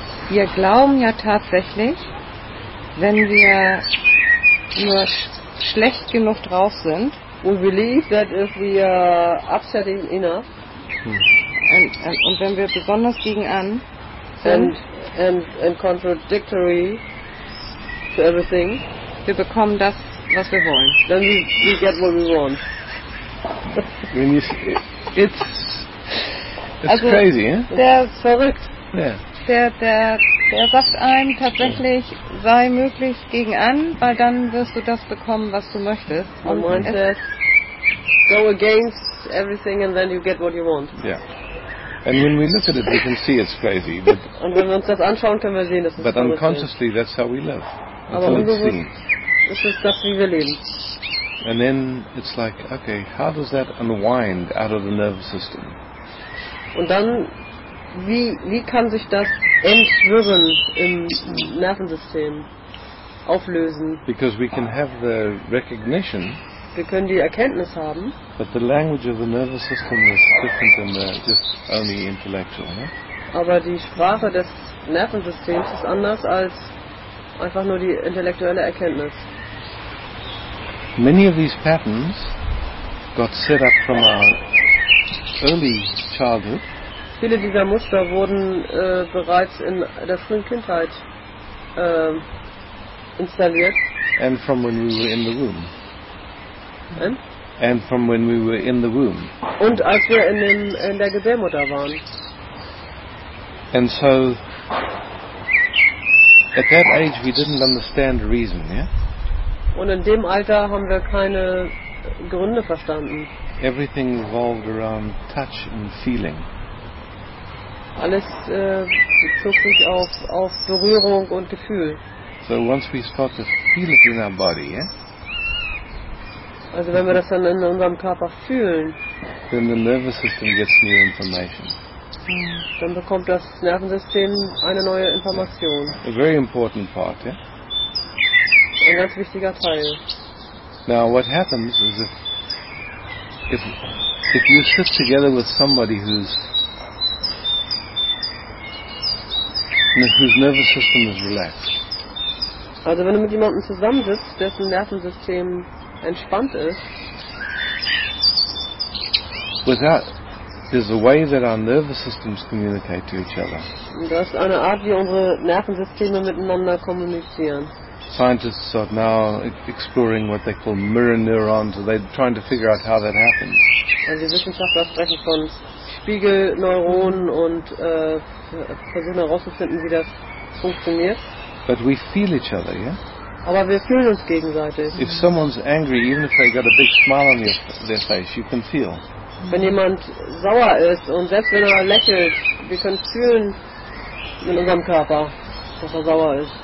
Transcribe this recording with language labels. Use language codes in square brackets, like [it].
[de] Wir glauben ja tatsächlich, wenn wir nur schlecht genug drauf sind. [en] We believe that if we are upsetting enough. [de] Und wenn wir besonders gegen an sind. [en] And contradictory to everything. [de] Wir bekommen das, was wir wollen. [en] Then we get what we want. When you see it, it's also crazy, eh? [de] Der ist verrückt. [en] Yeah. [de] Der sagt einem tatsächlich, sei möglichst gegen an, weil dann wirst du das bekommen, was du möchtest. Und man sagt, [en] go against everything and then you get what you want. Yeah. And when we look at it, we can see it's crazy. But [de] und wenn wir uns das anschauen, können wir sehen, dass es crazy ist. [en] But unconsciously, that's how we live. [de] Aber unbewusst ist es das, wie wir leben. [en] And then it's like, okay, how does that unwind out of the nervous system? [de] Und dann, wie kann sich das entwirren im Nervensystem, auflösen? [en] Because we can have the recognition. [de] Wir können die Erkenntnis haben. [en] But the language of the nervous system is different than the just only intellectual. Yeah? [de] Aber die Sprache des Nervensystems ist anders als einfach nur die intellektuelle Erkenntnis. [en] Many of these patterns got set up from our early childhood. [de] Viele dieser Muster wurden bereits in der frühen Kindheit installiert. [en] And from when we were in the womb. And from when we were in the womb. [de] Und als wir in der Gebärmutter waren. [en] And so At that age we didn't understand reason, yeah? [de] Und in dem Alter haben wir keine Gründe verstanden. [en] Everything revolved around touch and feeling. [de] Alles bezog sich auf Berührung und Gefühl. [en] So once we start to feel it in our body, yeah? [de] Also wenn wir das dann in unserem Körper fühlen, [en] then the nervous system gets new information. [de] Dann bekommt das Nervensystem eine neue Information. [en] A very important part, yeah? [de] Ein ganz wichtiger Teil. [en] Now what happens is if you sit together with somebody whose nervous system is relaxed. [de] Also wenn du mit jemandem zusammensitzt, dessen Nervensystem entspannt ist. [en] Without, there's a way that our nervous systems communicate to each other. [de] Das ist eine Art, wie unsere Nervensysteme miteinander kommunizieren. [en] Scientists are now exploring what they call mirror neurons. So they're trying to figure out how that happens. [de] Also die Wissenschaftler sprechen von Spiegelneuronen und versuchen herauszufinden, wie das funktioniert. [en] But we feel each other, yeah? [de] Aber wir fühlen uns gegenseitig. [en] If someone's angry, even if they got a big smile on their face, you can feel. [de] Wenn jemand sauer ist und selbst wenn lächelt, wir können fühlen in unserem Körper, dass sauer ist.